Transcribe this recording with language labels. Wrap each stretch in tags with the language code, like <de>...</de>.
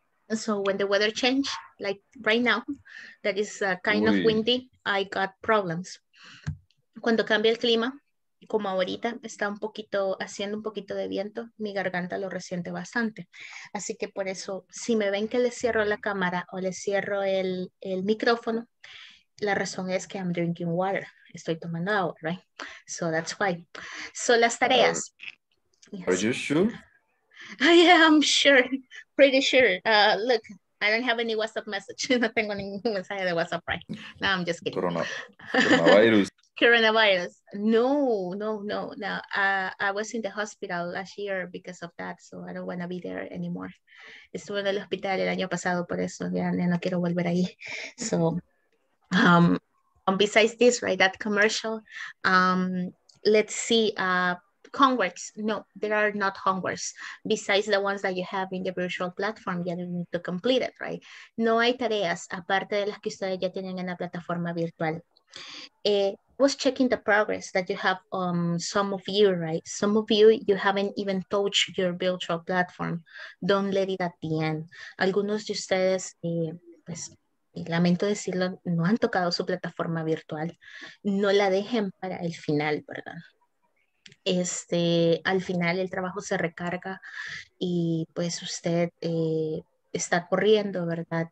<en>So when the weather change, like right now, that is kind of windy, I got problems.</en> <es>Cuando cambia el clima, como ahorita, está un poquito, haciendo un poquito de viento, mi garganta lo resiente bastante. Así que por eso, si me ven que le cierro la cámara o le cierro el micrófono, la razón es que</es> <en>I'm drinking water.</en> <es>Estoy tomando agua, right?</es> <en>So that's why.</en> <es>So las tareas.</es> <en>Are you sure? I am sure. Pretty sure. Look, I don't have any WhatsApp message.</en> <es>No tengo ningún mensaje de WhatsApp, right? No,</es> <en>I'm just kidding. Coronavirus. Coronavirus. No. I was in the hospital last year because of that. So I don't want to be there anymore.</en> <es>Estuve en el hospital el año pasado por eso. Ya no quiero volver ahí. So...</es> <en>besides this, right, that commercial, let's see, homeworks. No, there are not homeworks. Besides the ones that you have in the virtual platform, you don't need to complete it, right?</en> <es>No hay tareas, aparte de las que ustedes ya tienen en la plataforma virtual.</es> <en>was checking the progress that you have, some of you, right? Some of you, you haven't even touched your virtual platform. Don't let it at the end.</en> <es>Algunos de ustedes, pues, lamento decirlo, no han tocado su plataforma virtual. No la dejen para el final, ¿verdad? Este, al final el trabajo se recarga y pues usted está corriendo, ¿verdad?</es>